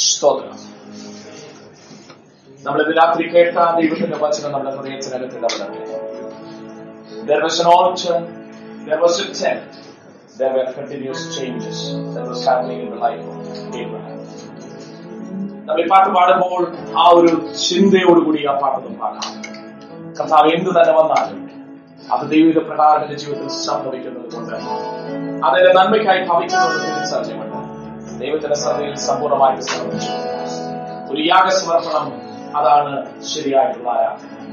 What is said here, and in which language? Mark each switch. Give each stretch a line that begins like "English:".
Malayalam: സ്തോത്രം. നമ്മൾ ഇന്ന് രാത്രി കേട്ട ദൈവത്തിന്റെ വചനം നമ്മുടെ ഹൃദയത്തിനകത്ത് ഇടപെടട്ടെ.
English: There were continuous changes that was happening in the life of Abraham.
Malayalam: നമ്മൾ ഈ പാട്ട് പാടുമ്പോൾ ആ ഒരു ചിന്തയോടുകൂടി ആ പാട്ടൊന്നും പാടാം. കർത്താവ് എന്ത് തന്നെ വന്നാലും അത് ദൈവിക പ്രകാരത്തിന്റെ ജീവിതത്തിൽ സംഭവിക്കുന്നത് കൊണ്ട് അതിന്റെ നന്മയ്ക്കായി ഭവിക്കുന്നതുകൊണ്ട് സത്യമുണ്ട്. ദൈവത്തിന്റെ സഭയിൽ സമ്പൂർണ്ണമായിട്ട് സമർപ്പിച്ചു ഒരു യാഗസമർപ്പണം, അതാണ് ശരിയായിട്ടുള്ള ആരാധന.